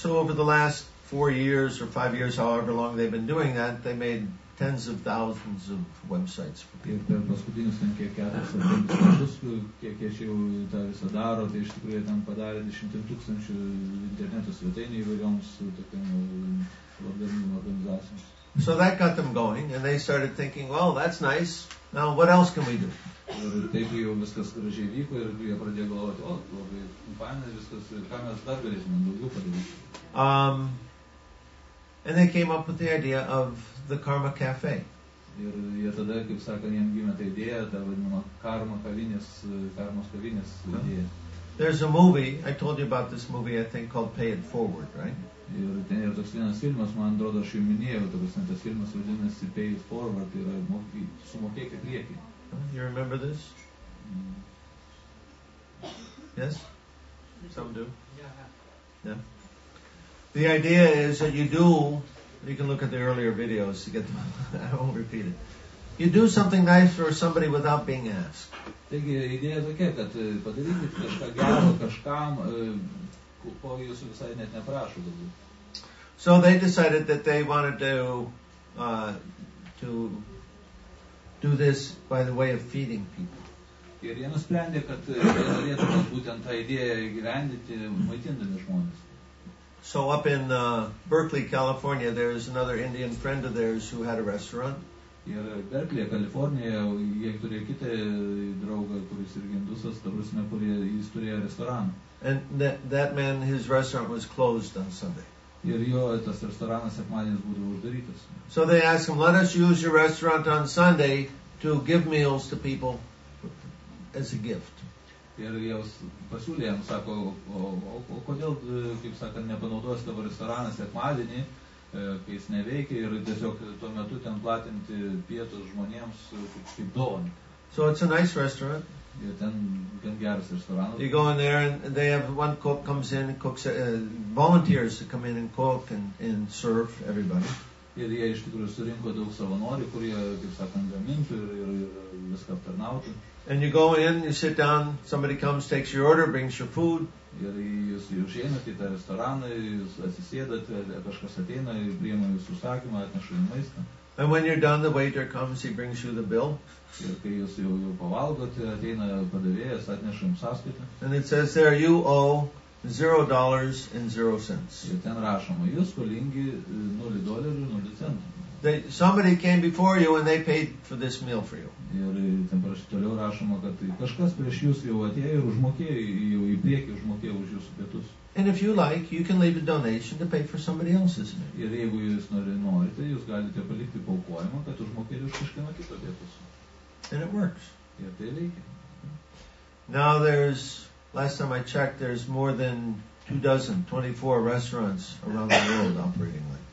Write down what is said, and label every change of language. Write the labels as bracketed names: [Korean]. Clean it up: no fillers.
[English] so over the last 4 years or 5 years however long they've been doing that they made tens of thousands of websites for people. [Lithuanian] Per paskutinius ten kiek 4 metus, kiek jie šiaip tą visą daro, tai iš tikrųjų ten padarė 10 000 interneto svetainių įvairioms tokiam organizacijoms. [English] So that got them going, and they started thinking, well, that's nice, now what else can we do? [Lithuanian] Ir taip jau viskas gražiai vyko, ir jie pradėjo galvoti, o, labai fainas viskas, ką mes dar galėsime daugiau padaryti. [English] And they came up with the idea of the Karma Cafe. [Lithuanian] Ir jie tada, kaip sakant, jiems gimė ta idėja, ta vadinama karmos kavinės idėja. [English] There's a movie, I told you about this movie, I think, called Pay It Forward, right? [Lithuanian] Ir ten yra toks vienas filmas, man atrodo, aš jau minėjau, ta prasme, tas filmas vadinasi Pay It Forward, tai yra sumokėk į priekį. [English] You remember this? Yes? Some do. Yeah. The idea is that you do, you can look at the earlier videos to get them, I won't repeat it. You do something nice for somebody without being asked. [Lithuanian] Taigi, idėja tokia, kad padarykit kažką gero kažkam, ko jūs visai net neprašo daugiau. [English] So they decided that they wanted to do this by the way of feeding people. [Lithuanian] Ir jie nusprendė, kad norėtų būtent tą idėją gyvendyti maitindami žmonės. [English] So up in Berkeley, California, there's another Indian friend of theirs who had a restaurant. [Lithuanian] Ir Berkeley, Kalifornija, jie turėjo kitą draugą, kuris irgi indusas, ta prasme, kurie jis turėjo restoraną. [English] And that man, his restaurant was closed on Sunday. [Lithuanian] Ir jo tas restoranas sekmadienis būtų uždarytas. [English] So they asked him, let us use your restaurant on Sunday to give meals to people as a gift. [Lithuanian] Ir jiems pasiūlė, jiems sako, o kodėl, kaip sakant, nepanaudosi dabar restoraną sekmadienį, kai jis neveikia, ir tiesiog tuo metu ten platinti pietus žmonėms kaip dovanį. [English] So it's a nice restaurant. [Lithuanian] Ir ten gan geras restoranas. [English] You go in there and they have one cook comes in and cooks, volunteers to come in and cook and serve everybody. [Lithuanian] Ir jie iš tikrųjų surinko daug savanorių, kurie, kaip sakant, gamintų ir viską aptarnautų. [English] And you go in, you sit down, somebody comes, takes your order, brings your food. [Lithuanian] Ir jūs einat į tą restoraną, jūs atsisėdat, kažkas ateina, priima jūsų užsakymą, atneša jums maistą. [English] And when you're done, the waiter comes, he brings you the bill. [Lithuanian] Ir kai jūs jau pavalgot, ateina padavėjas, atneša jums sąskaitą. [English] And it says there, you owe $0.00. [Lithuanian] Ir ten rašoma, jūs skolingi $0.00. [English] Somebody came before you and they paid for this meal for you. [Lithuanian] Ir ten prašyti toliau rašoma, kad kažkas prieš jūs jau atėjo ir užmokėjo, jau į priekį užmokėjo už jūsų pietus. [English] And if you like, you can leave a donation to pay for somebody else's meal. [Lithuanian] Ir jeigu jūs norite, jūs galite palikti paukojimą, kad užmokėjo už kažkieno kito pietus. [English] And it works. [Lithuanian] Ir tai veikia. [English] Now there's, last time I checked, there's more than 24 restaurants around the world operating like.